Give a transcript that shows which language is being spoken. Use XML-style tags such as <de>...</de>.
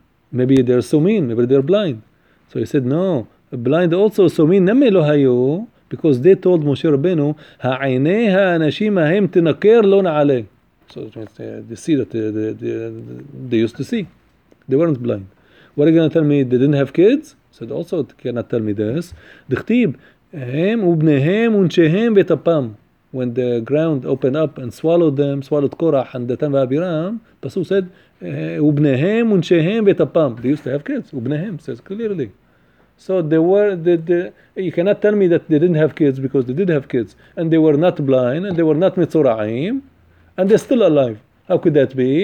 <en>Maybe they're Sumin, maybe they're blind. So he said, no, blind also,</en> <he>Sumin, Nami lo hayu,</he> <en>because they told Moshe Rabbeinu,</en> <he>Ha'ayne ha'anashim ahem tinakir lo na'ale.</he> <en>So they see that they used to see. They weren't blind. What are you going to tell me? They didn't have kids? He said, also, cannot tell me this.</en> <he>Dikhtib, הם ובניהם ונשיהם וטפם.</he> <en>When the ground opened up and swallowed them, swallowed Korach and Datan ואבירם, פסוק said,</en> <he>ובניהם ונשיהם וטפם.</he> <en>They used to have kids, ובניהם, says clearly. So they were, you cannot tell me that they didn't have kids because they did have kids. And they were not blind and they were not מצורעים. And they're still alive. How could that be?</en>